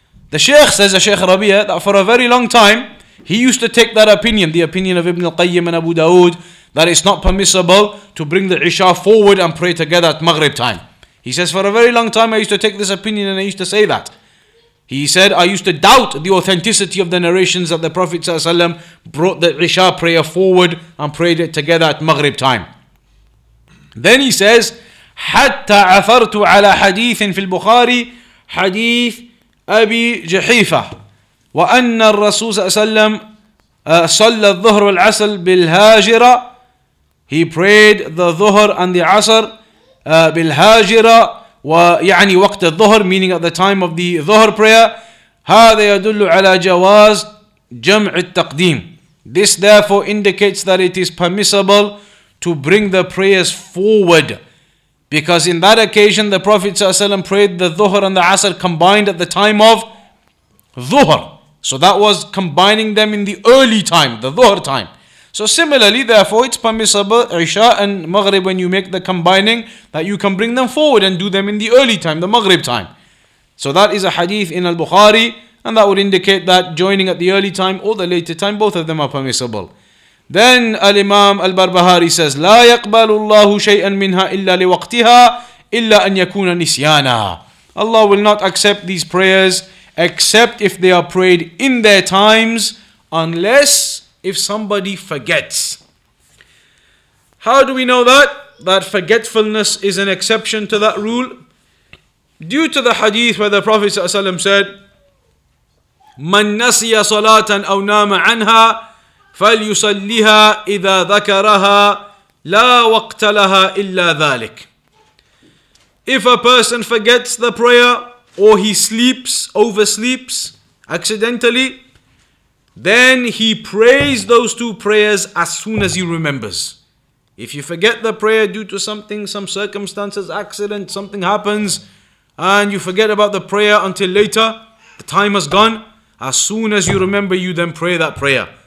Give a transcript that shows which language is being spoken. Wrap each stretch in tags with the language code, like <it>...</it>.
<en>The Shaykh says, Shaykh Rabia, that for a very long time, he used to take that opinion, the opinion of Ibn al-Qayyim and Abu Dawood, that it's not permissible to bring the Isha forward and pray together at Maghrib time. He says, for a very long time, I used to take this opinion and I used to say that. He said, I used to doubt the authenticity of the narrations that the Prophet ﷺ brought the Isha prayer forward and prayed it together at Maghrib time. Then he says,</en> <ar>حتى عثرت على حديث في البخاري حديث أبي جحيفة وأن الرسول صلى الله عليه وسلم صلى الظهر والعصر بالهاجرة.</ar> <en>He prayed the ظهر and the عصر</en> <ar>بالهاجرة ويعني وقت الظهر,</ar> <en>meaning at the time of the ظهر prayer.</en> <ar>هذا يدل على جواز جمع التقديم.</ar> <en>This therefore indicates that it is permissible to bring the prayers forward, because in that occasion the Prophet ﷺ prayed the Dhuhr and the Asr combined at the time of Dhuhr. So that was combining them in the early time, the Dhuhr time. So similarly, therefore, it's permissible Isha and Maghrib, when you make the combining, that you can bring them forward and do them in the early time, the Maghrib time. So that is a hadith in Al-Bukhari, and that would indicate that joining at the early time or the later time, both of them are permissible. Then Al-Imam Al-Barbahari says,</en> <ar>لا يقبل الله شيئا منها إلا لوقتها إلا أن يكون نسيانا.</ar> <en>Allah will not accept these prayers except if they are prayed in their times, unless if somebody forgets. How do we know that? That forgetfulness is an exception to that rule? Due to the hadith where the Prophet ﷺ said,</en> <ar>من نسي صلاة أو نام عنها فليصليها إذا ذكرها لا وقت لها إلا ذلك.</ar> <en>If a person forgets the prayer or he sleeps, oversleeps accidentally, then he prays those two prayers as soon as he remembers. If you forget the prayer due to something, some circumstances, accident, something happens, and you forget about the prayer until later, the time has gone, as soon as you remember, you then pray that prayer.</en>